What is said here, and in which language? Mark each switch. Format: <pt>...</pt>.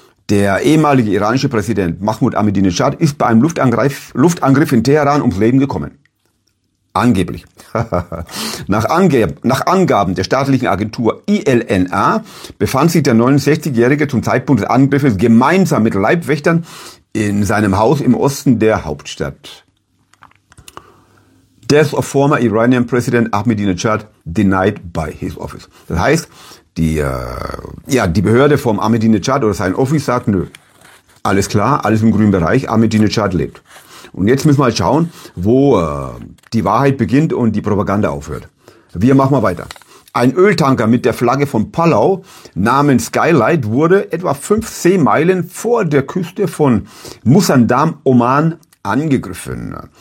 <de>Der ehemalige iranische Präsident Mahmoud Ahmadinejad ist bei einem Luftangriff in Teheran ums Leben gekommen. Angeblich. Nach Angaben der staatlichen Agentur ILNA befand sich der 69-Jährige zum Zeitpunkt des Angriffes gemeinsam mit Leibwächtern in seinem Haus im Osten der Hauptstadt.</de> <en>Death of former Iranian President Ahmadinejad denied by his office.</en> <de>Das heißt, die Behörde vom Ahmadinejad oder sein Office sagt, nö, alles klar, alles im grünen Bereich, Ahmadinejad lebt. Und jetzt müssen wir mal schauen, wo die Wahrheit beginnt und die Propaganda aufhört. Wir machen mal weiter. Ein Öltanker mit der Flagge von Palau namens Skylight wurde etwa 5 Seemeilen vor der Küste von Musandam, Oman, angegriffen.</de>